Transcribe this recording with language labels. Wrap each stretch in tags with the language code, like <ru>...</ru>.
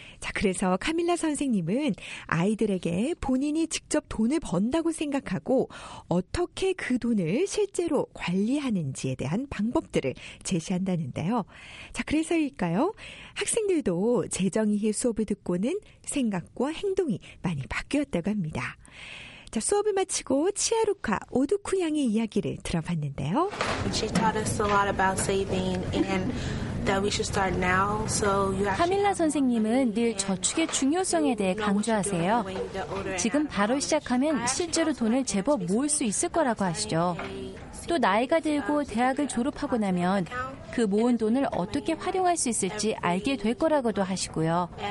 <ko>자, 그래서 카밀라 선생님은 아이들에게 본인이 직접 돈을 번다고 생각하고 어떻게 그 돈을 실제로 관리하는지에 대한 방법들을 제시한다는데요. 자, 그래서일까요? 학생들도 재정이해 수업을 듣고는 생각과 행동이 많이 바뀌었다고 합니다. 자, 수업을 마치고 치아루카 오두쿠 양의 이야기를 들어봤는데요.</ko> <en>She taught us a lot about saving and that we should start now. So you have</en> <ko>카밀라 선생님은 늘 저축의 중요성에 대해 강조하세요. 지금 바로 시작하면 실제로 돈을 제법 모을 수 있을 거라고 하시죠. 또 나이가 들고 대학을 졸업하고 나면 그 모은 돈을 어떻게 활용할 수 있을지 알게 될 거라고도 하시고요.</ko>